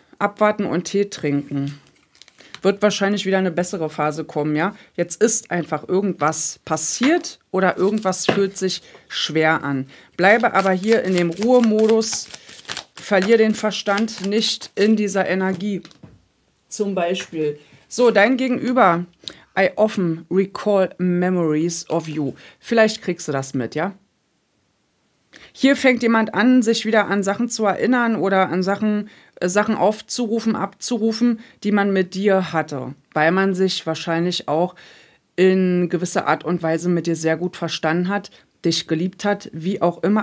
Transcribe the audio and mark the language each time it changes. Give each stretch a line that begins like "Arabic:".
German: Abwarten und Tee trinken. Wird wahrscheinlich wieder eine bessere Phase kommen, ja? Jetzt ist einfach irgendwas passiert oder irgendwas fühlt sich schwer an. Bleibe aber hier in dem Ruhemodus, verliere den Verstand nicht in dieser Energie, zum Beispiel. So, dein Gegenüber.
English: I often recall memories of you.
German: Vielleicht kriegst du das mit, ja? Hier fängt jemand an, sich wieder an Sachen zu erinnern oder an Sachen aufzurufen, abzurufen, die man mit dir hatte, weil man sich wahrscheinlich auch in gewisser Art und Weise mit dir sehr gut verstanden hat, dich geliebt hat, wie auch immer.